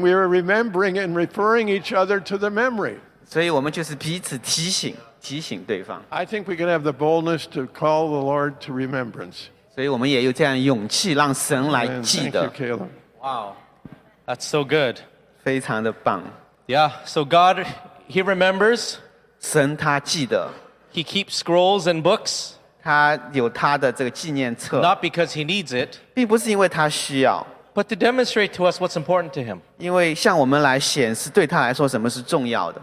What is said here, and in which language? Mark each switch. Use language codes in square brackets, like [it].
[en] We are remembering and referring each other to the memory. [zh] 所以我们就是彼此提醒,提醒对方。 [en] I think we can have the boldness to call the Lord to remembrance. [zh] 所以我们也有这样勇气让神来记得。 [en] Thank you, Caleb. Wow, that's so good. [zh] 非常的棒。 [en] Yeah, so God, he remembers. [zh] 神他记得。 [en] He keeps scrolls and books. [zh] 他有他的这个纪念册, [en] not because he needs it, [zh] 并不是因为他需要, [en] but to demonstrate to us what's important to him. [zh] 因为向我们来显示对他来说什么是重要的,